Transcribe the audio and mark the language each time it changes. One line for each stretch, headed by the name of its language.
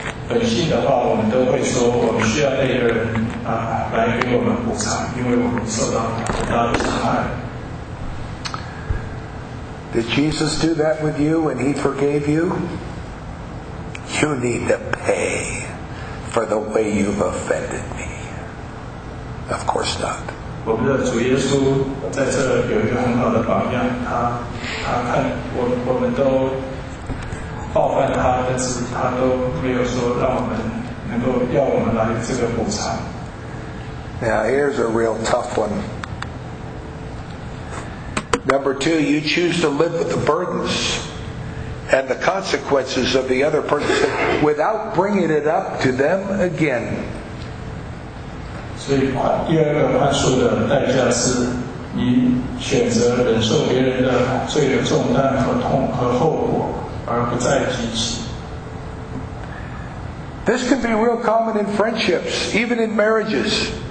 Chinese: 本性的话，我们都会说，我们需要那个人啊，来给我们补偿，因为我们受到很大的伤害。
English: Did Jesus do that with you when He forgave you? You need to pay for the way you've offended me. Of course not.
Chinese: 我们的主耶稣在这有一个很好的榜样，他看我们都。抱怨他，但是他都没有说让我们能够要我们来这个补偿。
English: Now here's a real tough one. Number two, you choose to live with the burdens and the consequences of the other person without bringing it up to them again. This can be real common in friendships, even in marriages.